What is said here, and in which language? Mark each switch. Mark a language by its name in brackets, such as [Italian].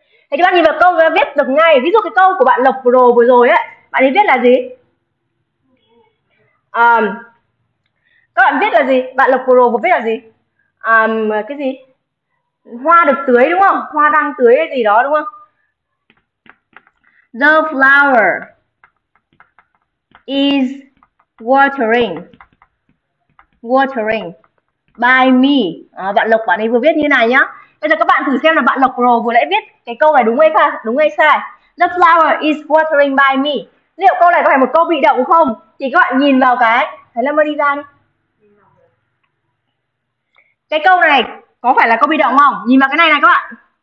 [Vietnamese] Thế các bạn nhìn vào câu và viết được ngay. Ví dụ cái câu của bạn Lộc Pro vừa rồi ấy, bạn ấy viết là gì? Các bạn viết là gì? Bạn Lộc Pro vừa viết là gì? Cái gì? Hoa được tưới đúng không? Hoa đang tưới cái gì đó đúng không? [English] The flower is watering by me. [Vietnamese] Bạn Lộc bạn ấy vừa viết như này nhá. Bây giờ các bạn thử xem là bạn Lộc Pro vừa lại viết cái câu này đúng hay sai, [English] The flower is watering by me. [Vietnamese] Liệu câu này có phải một câu bị động không? Thì các bạn nhìn vào cái, thấy là đi ra đi. Cái câu này có phải là câu bị động không? Nhìn vào cái này này các bạn.